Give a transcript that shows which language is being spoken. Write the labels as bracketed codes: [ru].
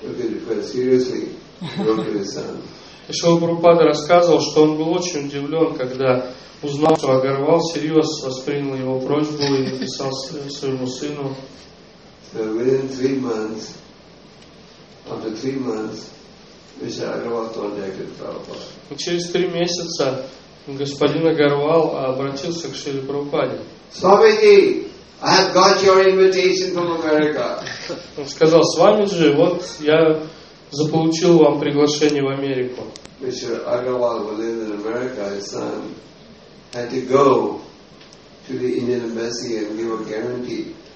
[ru] И Шрила Прабхупада рассказывал, что он был очень удивлен, когда узнал, что Агарвал серьезно воспринял его просьбу и написал своему сыну. [en] So within 3 months, after 3 months, Vishal Agarwal contacted Prabhupada. [ru] Через 3 месяца господин Агарвал обратился к Шриле Прабхупаде. [en] Swamiji, I have got your invitation from America. [ru] Он сказал: Свамиджи, вот я заполучил вам приглашение в Америку. [en] Vishal Agarwal lived in America. His son had to go to the Indian embassy and give a guarantee.